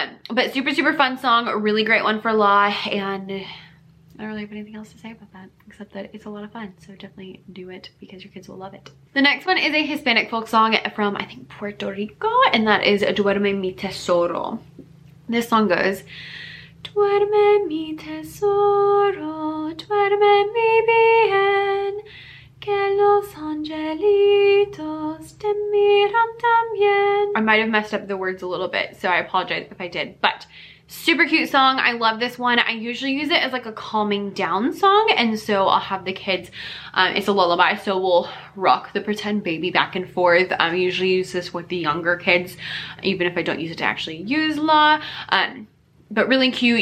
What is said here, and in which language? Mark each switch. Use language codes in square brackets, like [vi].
[en] But super, super fun song, a really great one for law, and I don't really have anything else to say about that, except that it's a lot of fun. So definitely do it, because your kids will love it. The next one is a Hispanic folk song from, I think, Puerto Rico, and that is Duerme Mi Tesoro. This song goes, [es] Duerme mi tesoro, duerme mi bien, que los angelitos te miran también. [en] I might have messed up the words a little bit, so I apologize if I did, but super cute song. I love this one. I usually use it as like a calming down song, and so I'll have the kids, it's a lullaby, so we'll rock the pretend baby back and forth. I usually use this with the younger kids, even if I don't use it to actually use La. But really cute.